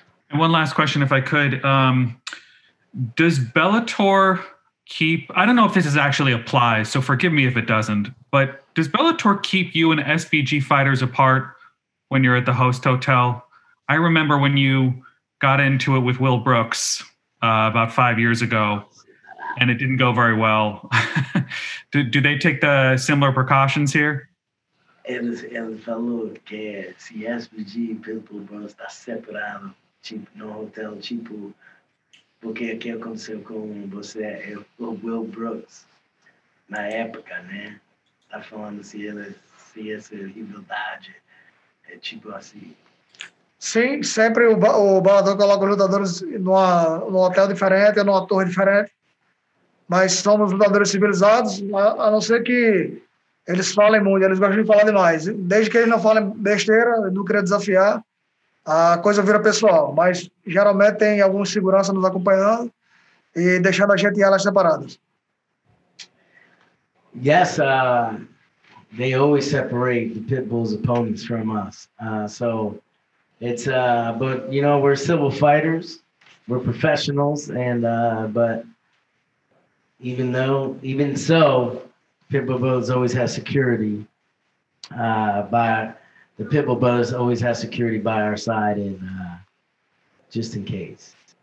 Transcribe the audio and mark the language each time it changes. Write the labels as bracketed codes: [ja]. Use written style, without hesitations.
[en] And one last question, if I could, does Bellator keep, I don't know if this is actually applies, so forgive me if it doesn't, but does Bellator keep you and SBG fighters apart when you're at the host hotel? I remember when you got into it with Will Brooks about 5 years ago, and it didn't go very well. do they take the similar precautions here? [pt] El fellow que si SBG Pitbull Bros está separado no hotel tipo porque que aconteceu com você é o Will Brooks na época, né? Tá falando se ele se essa rivalidade é tipo assim. Sim, sempre o Bellator coloca os lutadores num hotel diferente, numa torre diferente. Mas somos lutadores civilizados, a não ser que eles falem muito, eles gostam de falar demais. Desde que eles não falem besteira, não querem desafiar, a coisa vira pessoal. Mas geralmente tem alguma segurança nos acompanhando e deixando a gente e elas separadas. [en] Yes, they always separate the Pitbull's opponents from us. So... It's but you know, we're civil fighters, we're professionals, and but even so, Pitbull Brothers always has security by our side, and just in case.